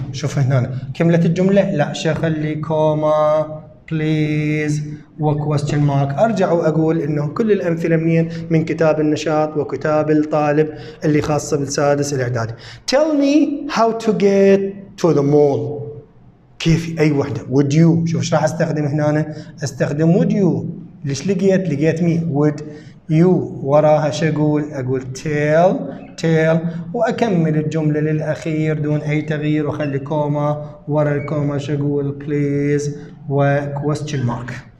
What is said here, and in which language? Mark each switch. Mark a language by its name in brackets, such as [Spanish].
[Arabic] شوف هنا كملت الجملة لا شو خلي كوما [English] please [Arabic] و [English] question mark. [Arabic] أرجع وأقول إنه كل الأمثلة منين؟ من كتاب النشاط وكتاب الطالب اللي خاصة بالسادس الإعدادي. [English] Tell me how to get to the mall. [Arabic] كيف أي وحدة؟ [English] Would you. [Arabic] شوف إيش راح أستخدم هنا؟ أستخدم [English] would you. [Arabic] ليش لقيت [English] me would you. [Arabic] وراها شو أقول [English] tell [Arabic] وأكمل الجملة للأخير دون أي تغيير وخلي كوما ورا الكوما شو أقول [English] please [Arabic] و [English] question mark.